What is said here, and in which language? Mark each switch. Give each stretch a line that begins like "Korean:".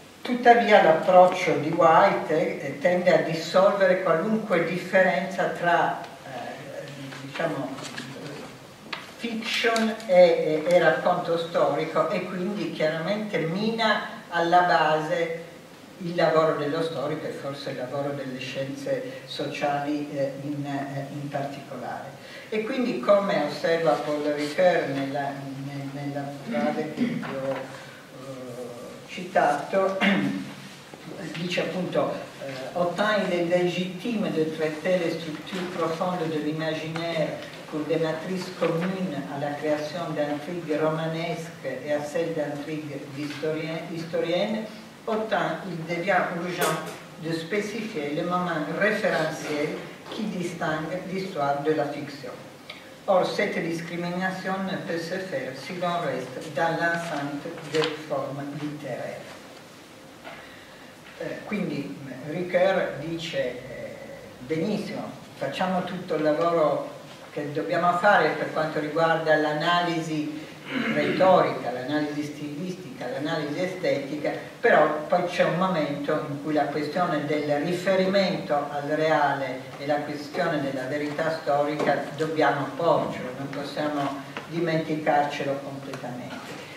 Italian: Tuttavia l'approccio di White tende a dissolvere qualunque differenza tra diciamo, fiction e racconto storico e quindi chiaramente mina alla base il lavoro dello storico e forse il lavoro delle scienze sociali in particolare. E quindi come osserva Paul Ricoeur nella frase che ho citato, dice appunto
French: «Autant il est légitime de traiter les structures profondes de l'imaginaire pour des matrices communes à la création d'intrigues romanesques et à celle d'intrigues historiennes, autant il devient urgent de spécifier le moment référentiel qui distingue l'histoire de la fiction. Or, cette discrimination ne peut se faire si l'on reste dans l'enceinte des formes littéraires. »
Italian: Quindi Ricoeur dice benissimo, facciamo tutto il lavoro che dobbiamo fare per quanto riguarda l'analisi retorica, l'analisi stilistica, l'analisi estetica, però poi c'è un momento in cui la questione del riferimento al reale e la questione della verità storica dobbiamo porcelo, non possiamo dimenticarcelo completamente.